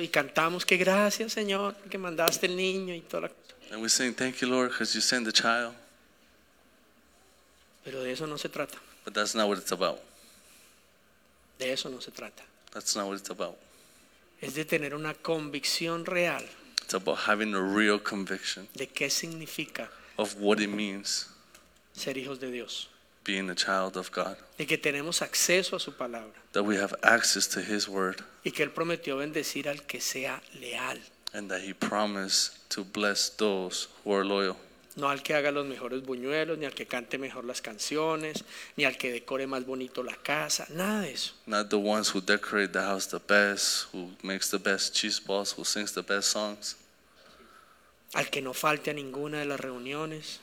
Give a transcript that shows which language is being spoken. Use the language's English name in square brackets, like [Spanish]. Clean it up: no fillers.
[Spanish] Y cantamos que gracias, Señor, que mandaste el niño y toda la cosa. [English] And we sing thank you, Lord, because you sent the child. [Spanish] Pero de eso no se trata. [English] But that's not what it's about. [Spanish] De eso no se trata. [English] That's not what it's about. [Spanish] Es de tener una convicción real. [English] It's about having a real conviction [Spanish] de qué significa [English] of what it means [Spanish] ser hijos de Dios. [English] being a child of God. [Spanish] Y que tenemos acceso a su palabra. [English] That we have access to his word. [Spanish] Y que él prometió bendecir al que sea leal. [English] And that he promised to bless those who are loyal. [Spanish] No al que haga los mejores buñuelos, ni al que cante mejor las canciones, ni al que decore más bonito la casa, nada de eso. [English] Not the ones who decorate the house the best, who makes the best cheese balls, who sings the best songs. [Spanish] Al que no falte a ninguna de las reuniones.